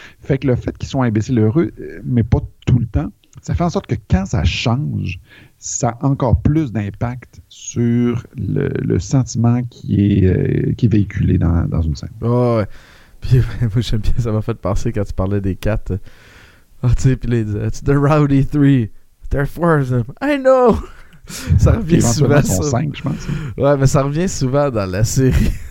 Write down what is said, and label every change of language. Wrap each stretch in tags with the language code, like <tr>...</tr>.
<fr>Fait que le fait qu'ils soient imbéciles heureux, mais pas tout le temps, ça fait en sorte que quand ça change, ça a encore plus d'impact sur le sentiment qui est véhiculé dans une scène. Oh, ouais. Puis moi, j'aime bien, ça m'a fait penser quand tu parlais des quatre. Oh, tu sais, puis les</fr> <en>it's the rowdy three, they're four of them, I know!</en> <fr>Ça revient souvent. Sont 5, je pense. Ouais, mais ça revient souvent dans la série.</fr>